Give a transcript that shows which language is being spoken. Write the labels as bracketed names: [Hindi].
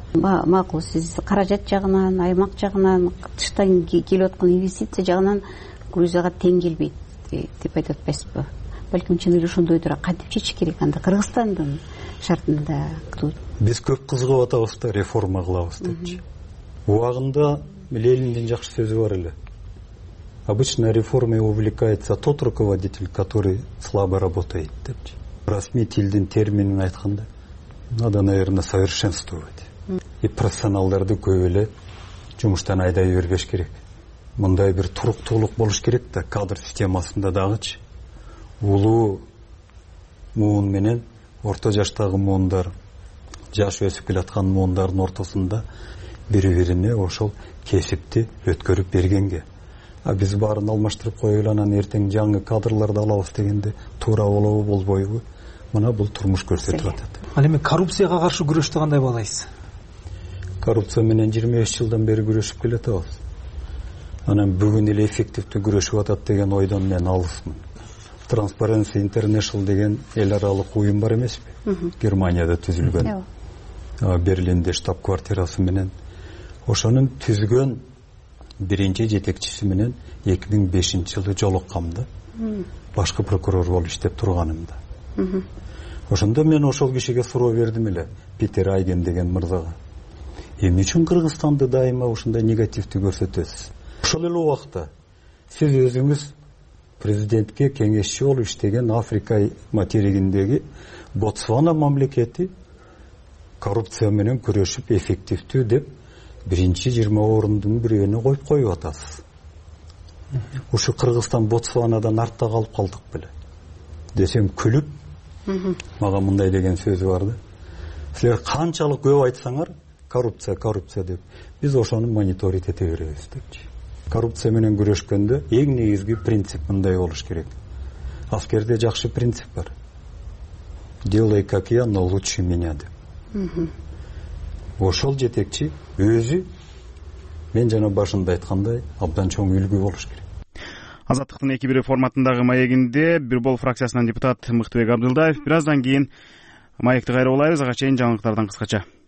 [Kyrgyz] Макул, сиз каражат жагынан, аймак жагынан, тыштан келип аткан инвестиция жагынан Грузияга тең келбейт деп айтып атпайсызбы? Балким чын эле ошондойдур. Кантип чечиш керек анда Кыргызстандын шартында? Биз көп кызыгып атабыз да реформа кылабыз депчи. Убагында Лениндин жакшы сөзү бар эле. [Russian] Обычно реформой увлекается тот руководитель, который слабо работает [Kyrgyz] депчи. Расмий тилдин терминин айтканда [Russian] надо, наверное, совершенствовать. [Kyrgyz] И профессионалдарды көп эле жумуштан айдай бербеш керек. Мындай бир туруктуулук болуш керек да кадр системасында дагычы. Улуу муун менен орто жаштагы муундар, жаш өсүп келаткан муундардын ортосунда бири бирине ошол кесипти өткөрүп бергенге. А биз баарын алмаштырып коюп эле анан эртең жаңы кадрларды алабыз дегенде туура болобу, болбойбу? Мына бул турмуш көрсөтүп атат. Ал эми коррупцияга каршы күрөштү кандай баалайсыз? Коррупция менен 25 жылдан бери күрөшүп келатабыз. Анан бүгүн эле эффективдүү күрөшүп атат деген ойдон мен алысмын. Transparency International деген эл аралык уюм бар эмеспи? Германияда түзүлгөн. Берлинде штаб-квартирасы менен. Ошонун түзгөн биринчи жетекчиси менен 2005 жылы жолукканда. Башкы прокурор болуп иштеп турганымда. Ошондо мен ошол кишиге суроо бердим эле. Питер Айген деген мырзага. Эмне үчүн Кыргызстанды дайыма ушундай негативдүү көрсөтөсүз? Ошол эле убакта сиз өзүңүз президентке кеңешчи болуп иштеген Африка материгиндеги Ботсвана мамлекети коррупция менен күрөшүп эффективдүү деп биринчи 20 орундун бирөөнө коюп коюп атасыз. Ушу Кыргызстан Ботсванадан артта калып калдык беле десем күлүп, мага мындай деген сөзү бар да, силер канчалык көп айтсаңар коррупция, коррупция деп, биз ошону мониторить эте беребиз депчи. Коррупция менен күрөшкөндө эң негизги принцип мындай болуш керек. Аскерде жакшы принцип бар. [Russian] Делай как я, но лучше меня [Kyrgyz] деп. Ошол жетекчи өзү мен жана башында айткандай абдан чоң үлгү болуш керек. Азаттыктын эки бири форматындагы маегинде Бирбол фракциясынан депутат Мыктыбек Абдылдаев. Бираздан кийин маекти кайра улайбыз. Ага чейин жаңылыктардан кыскача.